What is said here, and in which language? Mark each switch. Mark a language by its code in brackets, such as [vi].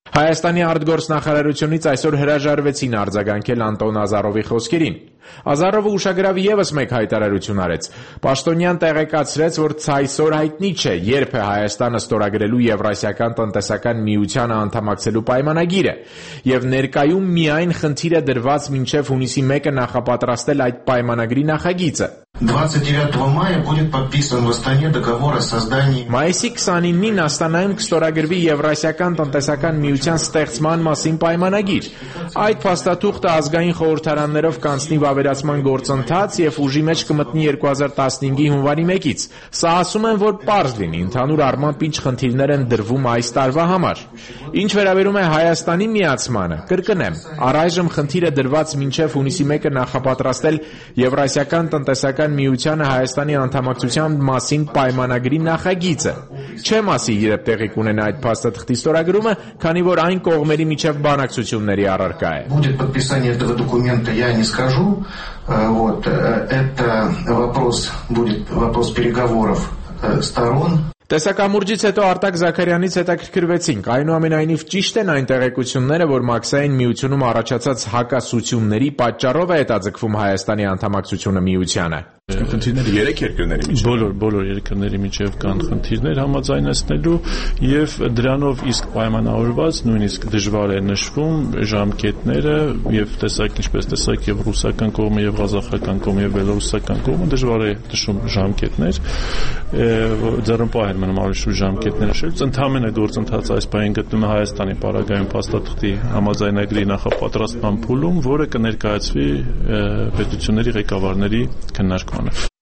[hy] Հայաստանի արտգործնախարարությունից այսօր հրաժարվեցին արձագանքել Անտոն Ազարովի խոսքերին։ Ազարովը ուշագրավ ևս մեկ հայտարարություն արեց։ Պաշտոնյան տեղեկացրեց, որ ցայսօր հայտնի չէ, երբ է Հայաստանը ստորագրելու Եվրասիական տնտեսական միությանը անդամակցելու պայմանագիրը, և ներկայում միայն խնդիրը դրված մինչև հունիսի 1-ը նախապատրաստել այդ պայմանագրի նախագիծը։ [ru] 29 мая будет подписан в Астане договор о создании [hy] Մայիսի 29-ին Աստանայում կստորագրվի Եվրասիական տնտեսական միության ստեղծման մասին պայմանագիր։ Այդ փաստաթուղթը ազգային խորհրդարաններով կանցնի վավերացման գործընթաց և ուժի մեջ կմտնի 2015-ի հունվարի 1-ից։ Սա ասում են, որ պարզ լինի, ընդհանուր առմամբ ինչ խնդիրներ են դրվում այս տարվա համար։ Ինչ վերաբերում է Հայաստանի միացմանը, կրկնեմ, առայժմ խնդիրը դրված մինչև հունիսի 1-ը նախապատրաստել Եվրասիական տնտեսական միությանը Հայաստանի անդամակցության մասին պայմանագրի նախագիծը։ Չեմ ասի, երբ տեղի կունենա այդ փաստաթղթի ստորագրումը, քանի որ այն կողմերի միջև բանակցությունների առարկա է։ [ru] Будет подписание этого документа, я не скажу. Вот это вопрос будет вопрос переговоров сторон. [hy] Տեսակամուրջից հետո Արտակ Զաքարյանից հետաքրքրվեցինք, այնուամենայնիվ ճիշտ են այն տեղեկությունները, որ մաքսային միությունում առաջացած հակասությունների պատճառով է հետաձգվում Հայաստանի անդամակցությունը միությանը։ Խնդիրները երեք երկրների միջև։ Բոլոր երկրների միջև կան խնդիրներ համաձայնեցնելու, և դրանով իսկ պայմանավորված, նույնիսկ դժվար է նշվում ժամկետները, և տեսակ ինչպես տեսակ և ռուսական կողմը, և ղազախական կողմը, և բելոռուսական կողմը դժվար է նշում ժամկետներ, ձեռնպահ են մնում արդեն շուտ ժամկետները շեշտ, ընդհանրապես գործընթաց այս պահին գտնվում է Հայաստանի պարագայում փաստաթղթի համաձայնագրի նախապատրաստման փուլում, որը կներկայացվի պետությունների ղեկավարների քննարկմանը։